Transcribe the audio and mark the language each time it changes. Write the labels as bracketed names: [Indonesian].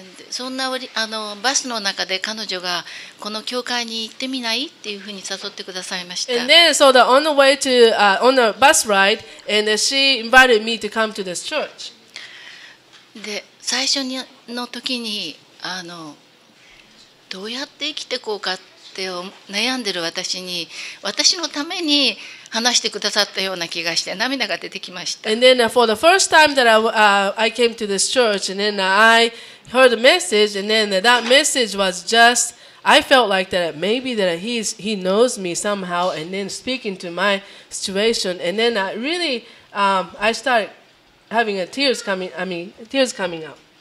[Japanese] そんなバスの中で彼女がこの教会に行ってみないっていうふうに誘ってくださいました。 [English] And then, so that on the way to, on the bus ride, and she invited me to come to this church. [Japanese] で、最初の時に、どうやって生きていこうかって悩んでる私に、私のために、話してくださったような気がして涙が出てきました。 [English] And then for the first time that I came to this church, and then I heard a message, and then that message was just I felt like that maybe that he knows me somehow, and then speaking to my situation, and then I really I started having tears coming up.